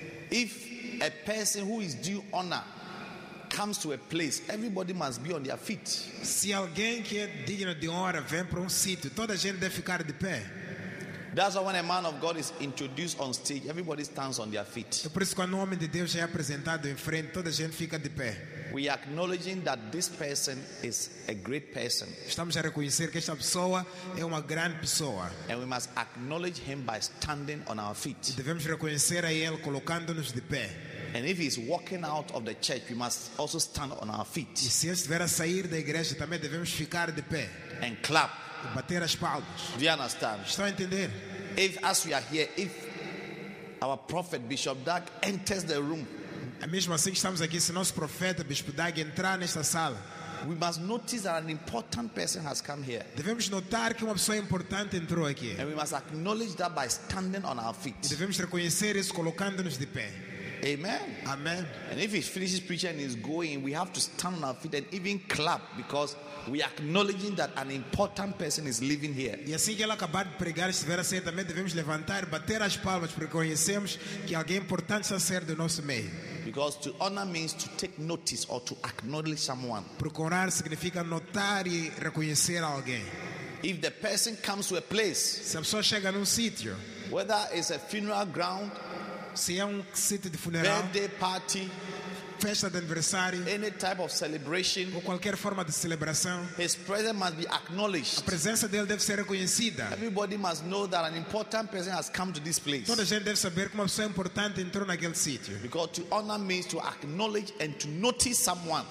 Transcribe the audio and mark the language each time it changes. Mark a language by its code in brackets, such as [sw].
[en] If a person who is due honor comes to a place, everybody must be on their feet. [pt] Se alguém que é digno de honra vem para sítio, toda a gente deve ficar de pé. [en] That's why when a man of God is introduced on stage, everybody stands on their feet. [pt] É por isso que quando um homem de Deus é apresentado em frente, toda a gente fica de pé. [en] We are acknowledging that this person is a great person. [pt] Estamos a reconhecer que esta pessoa é uma grande pessoa. [en] And we must acknowledge him by standing on our feet. [pt] E devemos reconhecer a ele colocando-nos de pé. [en] And if he's walking out of the church, we must also stand on our feet. [pt] E se ele estiver a sair da igreja, também devemos ficar de pé. [en] And clap. [pt] E bater as palmas. [en] Do you understand? [pt] Estão a entender? [en] If, as we are here, if our prophet Bishop Doug enters the room, [pt] é mesmo assim que estamos aqui, se nosso profeta Bispo Doug entrar nesta sala, [en] we must notice that an important person has come here. [pt] Devemos notar que uma pessoa importante entrou aqui. [en] And we must acknowledge that by standing on our feet. [pt] E devemos reconhecer isso colocando-nos de pé. [en] Amen. [pt] Amen. [en] And if he finishes preaching and he's going, we have to stand on our feet and even clap because we are acknowledging that an important person is living here. [pt] E assim que ele acabar de pregar, estiver a sair também, devemos levantar, bater as palmas, porque conhecemos que alguém importante está a sair do nosso meio. [en] Because to honor means to take notice or to acknowledge someone. [pt] Procurar significa notar e reconhecer alguém. [en] If the person comes to a place, [pt] se a pessoa chega num sítio, [en] whether it's a funeral ground, [pt] se é sítio de funeral, [en] birthday party, [pt] festa de aniversário, [en] any type of celebration, [pt] ou qualquer forma de celebração, [en] his presence must be acknowledged. [pt] A presença dele deve ser reconhecida. [en] Everybody must know that an important person has come to this place. [pt] Toda a gente deve saber que uma pessoa importante entrou naquele sítio. [en] Because to honor means to acknowledge and to notice someone.